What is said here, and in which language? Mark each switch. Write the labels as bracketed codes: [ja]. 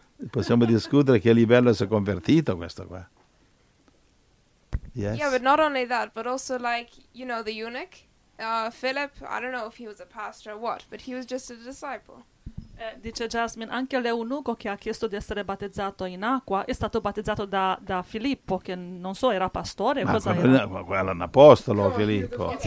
[it] Possiamo discutere che livello si è convertito questo qua. [en] Yes. Yeah, but not only that, but also like, you know, the eunuch, Philip, I don't know if he was a pastor or what, but he was just a disciple. [it] Dice Jasmine, anche l'eunuco che ha chiesto di essere battezzato in acqua è stato battezzato da Filippo, che non so, era pastore. Ma cosa quello è un apostolo, Filippo.